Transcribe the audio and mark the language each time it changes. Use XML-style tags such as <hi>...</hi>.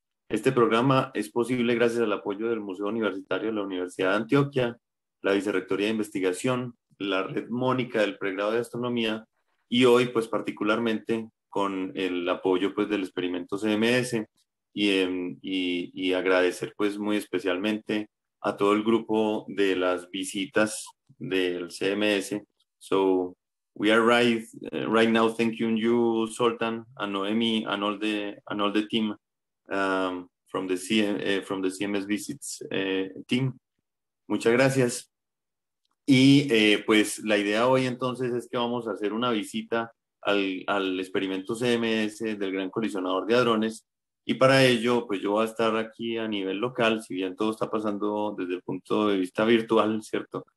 <es>Este programa es posible gracias al apoyo del Museo Universitario de la Universidad de Antioquia, la Vicerrectoría de Investigación, la Red Mónica del Pregrado de Astronomía y hoy, pues particularmente, con el apoyo pues, del experimento CMS y agradecer pues, muy especialmente a todo el grupo de las visitas del CMS.</es> <en>So we are right now thanking you, Zoltán, and Noemi, and all the team from the CMS Visits team.</en> <es>Muchas gracias. Y pues la idea hoy entonces es que vamos a hacer una visita al experimento CMS del Gran Colisionador de Hadrones. Y para ello, pues yo voy a estar aquí a nivel local, si bien todo está pasando desde el punto de vista virtual, ¿cierto?</es>